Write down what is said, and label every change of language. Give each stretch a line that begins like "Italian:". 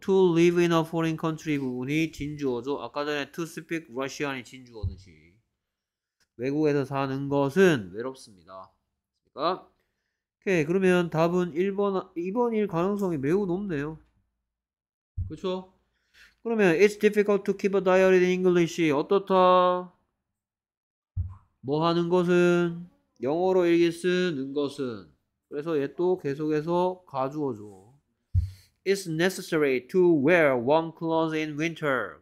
English: To live in a foreign country
Korean: 부분이 진주어죠. 아까 전에
English: to speak Russian
Korean: 이 진주어듯이 외국에서 사는 것은 외롭습니다. 그러니까 오케이. 그러면 답은 2번일 가능성이 매우 높네요. 그쵸?
English: 그러면 it's difficult to keep a diary in English.
Korean: 어떻다? 뭐 하는 것은 영어로 읽기 쓰는 것은 그래서 얘또 계속해서 가주어줘.
English: It's necessary to wear warm clothes in winter.